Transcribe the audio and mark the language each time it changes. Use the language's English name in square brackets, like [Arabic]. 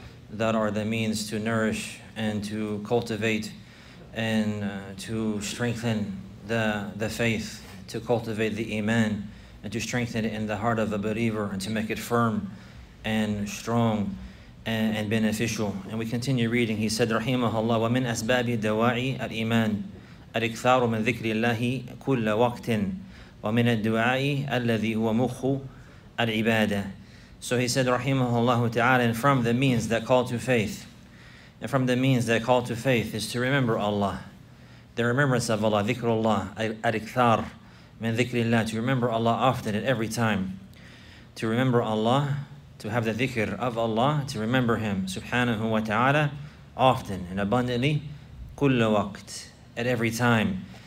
[English] that are the means to nourish and to cultivate and to strengthen the faith, to cultivate the iman and to strengthen it in the heart of a believer and to make it firm and strong and beneficial. And we continue reading. He said, [Arabic] رحمه الله ومن أسباب دواء الإيمان الإكثار من ذكر الله كل وقت ومن الدعاء الذي هو مخ العبادة. [English] So he said, رحمه الله تعالى, and from the means that call to faith, and from the means that call to faith is to remember Allah, the remembrance of Allah, [Arabic] ذكر الله الإكثار من ذكر الله, [English] to remember Allah often at every time, to remember Allah, to have the dhikr of Allah, to remember Him, subhanahu wa ta'ala, often and abundantly, kulla waqt, at every time.